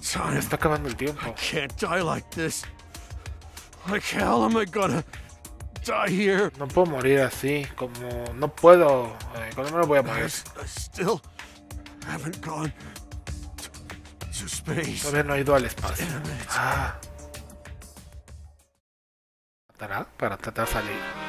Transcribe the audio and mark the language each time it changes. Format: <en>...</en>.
<es>Me está acabando el tiempo.</es> <en>I can't die like this. Like how am I gonna die here?</en> <es>No puedo morir así, como no puedo. ¿Cómo me voy a morir?</es> <en>Still haven't gone to space.</en> <es>Todavía no he ido al espacio. ¿Matará? Para tratar de salir.</es>